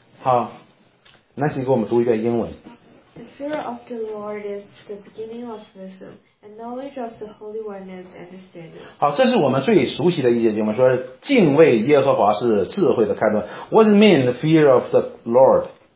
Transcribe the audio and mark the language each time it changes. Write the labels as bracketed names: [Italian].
[Chinese] 好，那请给我们读一遍英文。 [English] The fear of the Lord is the beginning of wisdom, and knowledge of the Holy One is understanding. [Chinese] 好，这是我们最熟悉的一节经文，说敬畏耶和华是智慧的开端。 [English] What does it mean, the fear of the Lord?